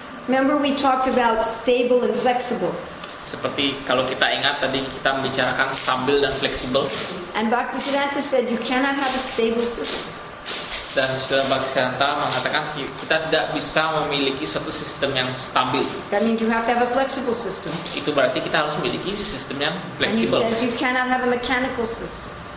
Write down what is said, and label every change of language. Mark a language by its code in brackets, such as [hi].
[en] Remember we talked about stable and flexible. [id] Seperti kalau kita ingat tadi kita membicarakan stabil dan fleksibel. [en] And Bhaktisiddhanta said you cannot have a stable system. [id] Dan Srila Bhaktisiddhanta mengatakan kita tidak bisa memiliki suatu sistem yang stabil. [en] That means you have to have a flexible system. [id] Itu berarti kita harus memiliki sistem yang fleksibel. [en] And he says you cannot have a mechanical system.